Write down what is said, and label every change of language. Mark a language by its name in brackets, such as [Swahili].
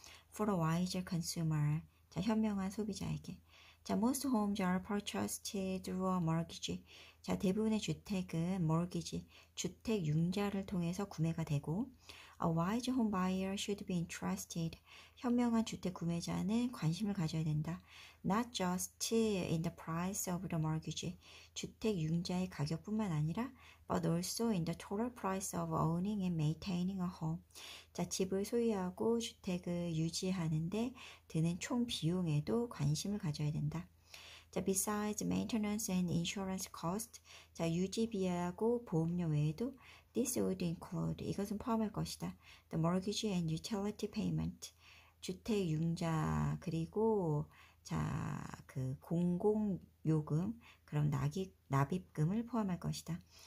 [English] For a wiser consumer, [Korean] 자, 현명한 소비자에게. [English] 자, most homes are purchased through a mortgage. [Korean] 자, 대부분의 주택은 mortgage, 주택 융자를 통해서 구매가 되고, [English] a wise home buyer should be interested. [Korean] 현명한 주택 구매자는 관심을 가져야 된다. [English] Not just in the price of the mortgage, [Korean] 주택 융자의 가격뿐만 아니라, [English] but also in the total price of owning and maintaining a home. [Korean] 자, 집을 소유하고 주택을 유지하는 데 드는 총 비용에도 관심을 가져야 된다. [English] 자, besides maintenance and insurance cost, [Korean] 자, 유지비하고 보험료 외에도 [English] this would include, [Korean] 이것은 포함할 것이다. [English] The mortgage and utility payment, [Korean] 주택 융자, 그리고 자, 그 공공요금, 그럼 납입금을 포함할 것이다.